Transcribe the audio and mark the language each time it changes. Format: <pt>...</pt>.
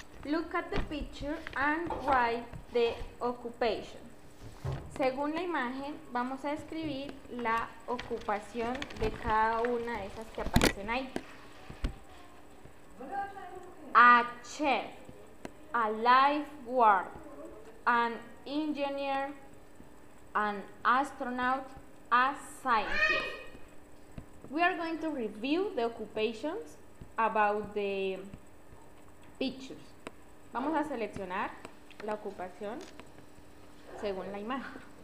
<en>Look at the picture and write the occupation.</en> <es>Según la imagen, vamos a escribir la ocupación de cada una de esas que aparecen ahí.</es> <en>A chef, a lifeguard, an engineer, an astronaut, a scientist. We are going to review the occupations about the pictures.</en> <es>Vamos a seleccionar la ocupación según la imagen.</es>